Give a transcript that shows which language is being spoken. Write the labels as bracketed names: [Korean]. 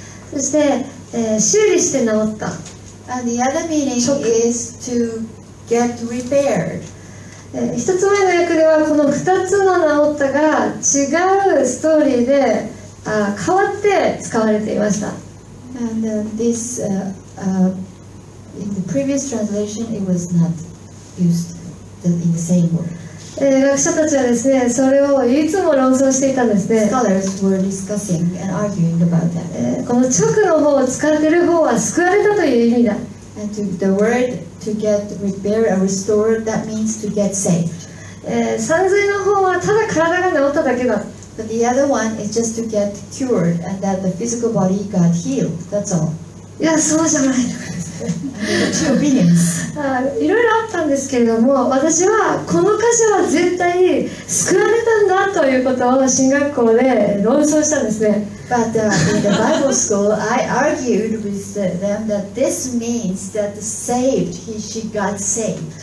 [Japanese] そして、修理して治った。 [English] And the other meaning is to get repaired. [Japanese] 一つ前の訳ではこの二つの治ったが違うストーリーで変わって使われていました。 [English] And this in the previous translation it was not used in the same word. [Japanese] 学者たちはですね、それをいつも論争していたんですね。 [English] Scholars were discussing and arguing about that. [Japanese] この直の方を使っている方は救われたという意味だ。 [English] And to the word to get repaired or restored, that means to get saved. [Japanese] 賛成の方はただ体が治っただけだ。 [English] But the other one is just to get cured and that the physical body got healed. That's all. [Japanese] いや、そうじゃない。いろいろあったんですけれども、私はこの箇所は絶対に救われたんだということを神学校で論争したんですね。 [English] But in the Bible school, I argued with them that this means that the saved, he, she got saved.